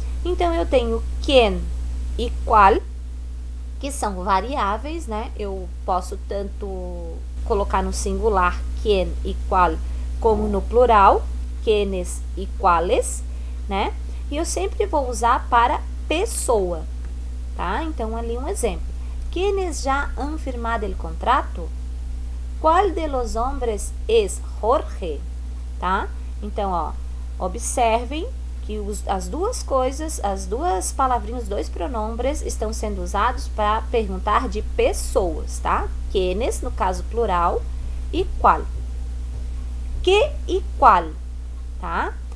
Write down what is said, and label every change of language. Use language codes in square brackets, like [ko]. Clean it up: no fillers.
[pt] Então eu tenho quién e qual, que são variáveis, né? Eu posso tanto colocar no singular quién e qual, como no plural, quiénes e quales, né? E eu sempre vou usar para pessoa, tá? Então ali um exemplo. [es] Quiénes já han firmado el contrato? Qual de los hombres es Jorge? [pt] Tá? Então, ó, observem que as duas coisas, as duas palavrinhas, os dois pronombres estão sendo usados para perguntar de pessoas, tá? Quienes, no caso plural, e qual. Que e qual, tá?